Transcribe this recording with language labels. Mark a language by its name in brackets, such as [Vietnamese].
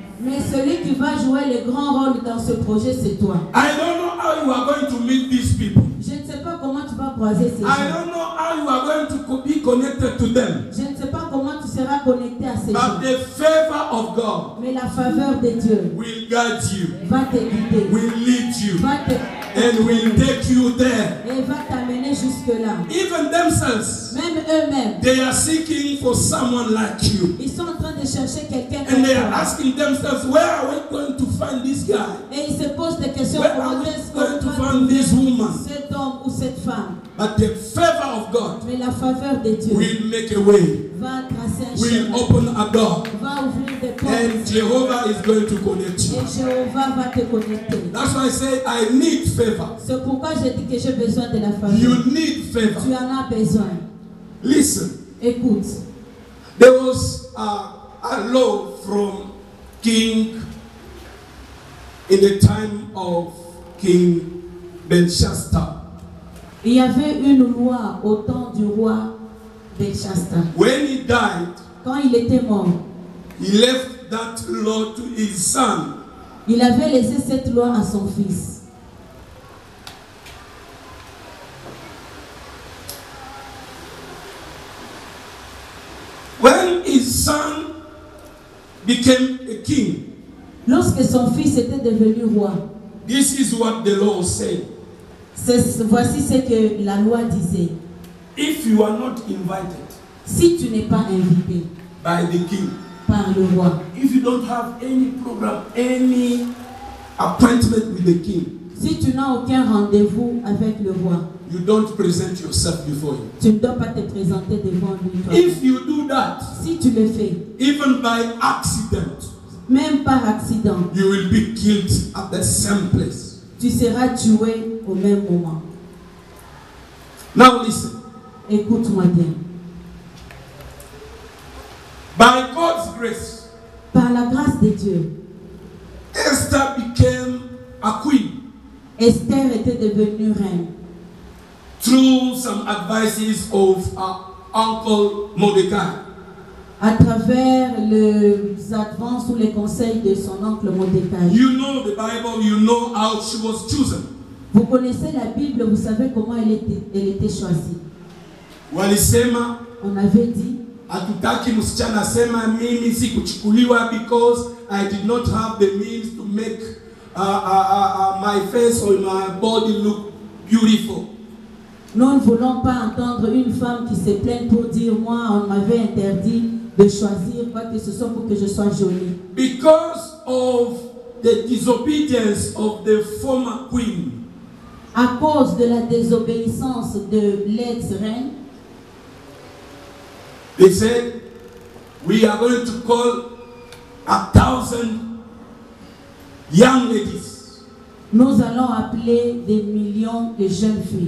[French] Mais celui qui va jouer le grand rôle dans ce projet, c'est toi. [English] I don't know how you are going to meet these people. [French] Je ne sais pas comment tu vas croiser ces [English] I [French] gens. [English] I don't know how you are going to be connected to them. [French] Je ne sais pas comment tu seras connecté à ces [English] But [French] gens. [English] But the favor of God. [French] Mais la faveur de Dieu. [English] Will guide you. [French] Va te guider. [English] Will lead you. [French] Va te [English] and will take you there. [French] Et va t'amener jusque là. [English] Even themselves. [French] Même eux-mêmes. [English] They are seeking for someone like you. [French] Ils sont en train de chercher quelqu'un comme toi. [English] And they are asking themselves, where are we going to find this guy? [French] Et ils se posent des questions. [English] Where are we going to find this woman? [French] Cet homme ou cette femme. [English] But the favor of God. [French] Mais la faveur de Dieu. [English] Will make a way. [French] Va tracer un [English] will [French] chemin. [English] Open a door. [French] Va ouvrir des portes. [English] And Jehovah is going to connect you. [French] Et Jehovah va te connecter. [English] That's why I say I need favor. [French] C'est pourquoi je dis que j'ai besoin de la faveur. [English] You need favor. [French] Tu en as besoin. [English] Listen. [French] Écoute. [English] There was a law from King in the time of King Belshazzar. [French] Il y avait une loi au temps du roi Belshazzar. [English] When he died, [French] quand il était mort, [English] he left that law to his son. [French] Il avait laissé cette loi à son fils. [English] When his son became a king, [French] lorsque son fils était devenu roi, [English] this is what the law said. [French] Voici ce que la loi disait. [English] If you are not invited, [French] si tu n'es pas invité [English] by the king, [French] par le roi, [English] if you don't have any program, any appointment with the king, [French] si tu n'as aucun rendez-vous avec le roi, [English] you don't present yourself before him. [French] Tu ne dois pas te présenter devant lui. [English] If you do that, [French] si tu le fais, [English] even by accident, [French] même par accident, [English] you will be killed at the same place. [French] Tu seras tué au même moment. [English] Now listen. [French] Écoute-moi bien. [English] By God's grace. [French] Par la grâce de Dieu. [English] Esther became a queen. [French] Esther était devenue reine. [English] Through some advices of her uncle Mordecai. [French] À travers les avances ou les conseils de son oncle Mordecai. [English] You know the Bible, you know how she was chosen. [French] Vous connaissez la Bible, vous savez comment elle était choisie. [Swahili] Walisema, [French] on avait dit, [Swahili] hatutaki msichana sema mimi si kuchukuliwa [English] because I did not have the means to make my face or my body look beautiful. [French] Nous ne voulons pas entendre une femme qui se plaint pour dire moi on m'avait interdit de choisir quoi que ce soit pour que je sois jolie. [English] Because of the disobedience of the former queen. [French] À cause de la désobéissance de l'ex-reine. [English] They said, we are going to call 1,000 young ladies. [French] Nous allons appeler des millions de jeunes filles.